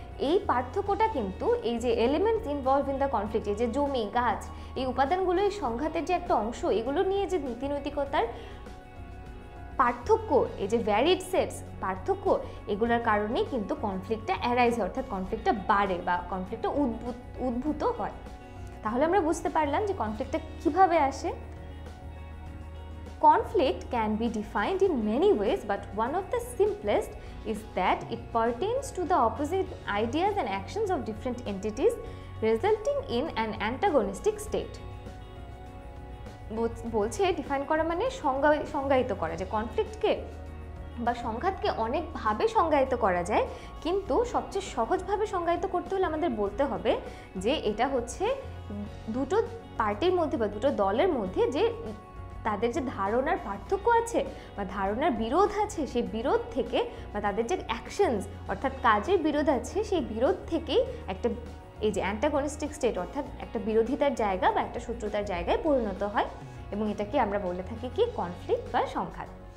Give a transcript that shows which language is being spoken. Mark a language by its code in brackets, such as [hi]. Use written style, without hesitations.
[bn] এই পার্থক্যটা কিন্তু এই যে [en] elements involve in the conflict, [bn] এই যে জমি গাছ এই উপাদানগুলো এই সংঘাতের যে একটা অংশ, এগুলো নিয়ে যে নীতিনৈতিকতার পার্থক্য, এই যে ভ্যারিড সেটস পার্থক্য, এগুলোর কারণেই কিন্তু কনফ্লিক্টটা অ্যারাইজ হয়, অর্থাৎ কনফ্লিক্টটা বাড়ে বা কনফ্লিক্টটা উদ্ভূত হয়। তাহলে আমরা বুঝতে পারলাম যে কনফ্লিক্টটা কীভাবে আসে। [en] Conflict can be defined in many ways, but one of the simplest is that it pertains to the opposite ideas and actions of different entities, resulting in an antagonistic state. [bn] বলছে define করা মানে সংজ্ঞায়িত করা, যে কনফ্লিক্টকে বা সংঘাতকে অনেকভাবে সংজ্ঞায়িত করা যায়, কিন্তু সবচেয়ে সহজভাবে সংজ্ঞায়িত করতে হলে আমাদের বলতে হবে যে এটা হচ্ছে দুটো পার্টির মধ্যে বা দুটো দলের মধ্যে যে তাদের যে ধারণার পার্থক্য আছে বা ধারণার বিরোধ আছে, সেই বিরোধ থেকে বা তাদের যে অ্যাকশনস অর্থাৎ কাজের বিরোধ আছে, সেই বিরোধ থেকেই একটা এই যে অ্যান্টাগনিস্টিক স্টেট অর্থাৎ একটা বিরোধিতার জায়গা বা একটা শত্রুতার জায়গায় পরিণত হয়, এবং এটাকে আমরা বলে থাকি কি কনফ্লিক্ট বা সংঘাত।